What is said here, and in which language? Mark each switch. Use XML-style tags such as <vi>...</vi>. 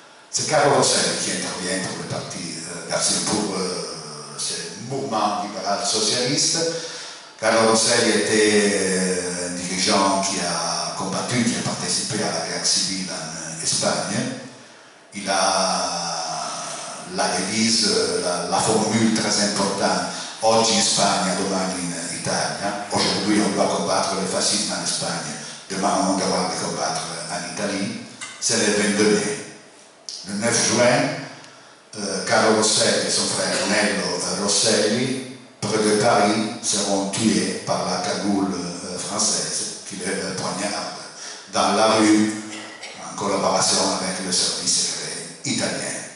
<fr>C'est Carlo Rosselli qui intervient pour le parti, pour ce mouvement libéral socialiste. Carlo Rosselli était un dirigeant qui a combattu, qui a participé à la guerre civile en Espagne. Il a la devise, la formule très importante.</fr> <it>Oggi in Spagna, domani in Italia.</it> <fr>Aujourd'hui on doit combattre le fascisme en Espagne, demain on devra le combattre en Italie. C'est le 22 mai. Le 9 juin, Carlo Rosselli et son frère Nello Rosselli, près de Paris, seront tués par la cagoule française qui les poignarde dans la rue en collaboration avec le service secret italien.</fr>